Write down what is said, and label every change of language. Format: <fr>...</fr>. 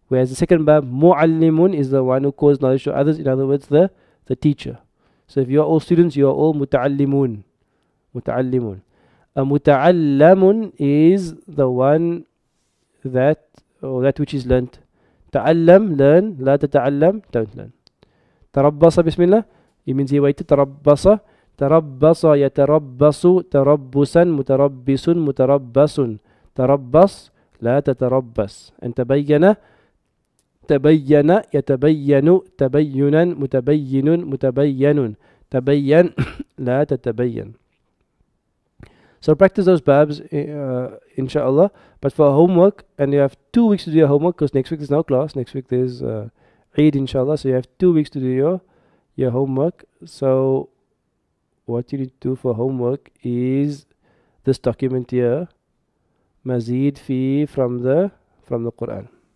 <en>Whereas the second bab, mu'allimun, is the one who causes knowledge to others, in other words, the teacher. So if you are all students, you are all muta'allimun. Muta'allimun. A muta'allamun is the one that which is learnt. Ta'allam, learn. La tata'allam, don't learn. Tarabbasa, bismillah. It means he waited. Tarabbasa.</en> <ar>تربص يتربص تربصا متربص متربص تربص لا تتربص أن تبين تبين يتبين تبينا متبين متبين تبين لا تتبين.</ar> <en>So practice those verbs inshallah. But for homework, and you have 2 weeks to do your homework, because next week there's no class. Next week there's Eid inshallah. So you have 2 weeks to do your homework. So what you need to do for homework is this document here, Mazid fi, from the Quran.</en>